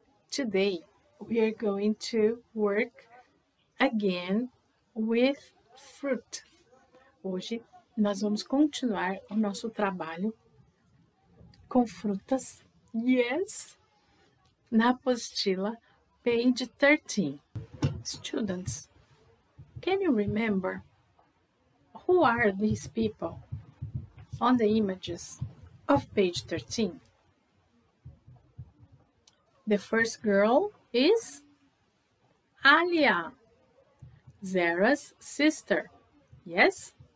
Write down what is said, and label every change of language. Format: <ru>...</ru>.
<en>Today, we are going to work again with fruit.</en> <pt>Hoje, nós vamos continuar o nosso trabalho com frutas.</pt> <en>Yes!</en> <pt>Na apostila,</pt> <en>page 13. Students, can you remember who are these people on the images of page 13? The first girl is Alia, Zara's sister. Yes?</en>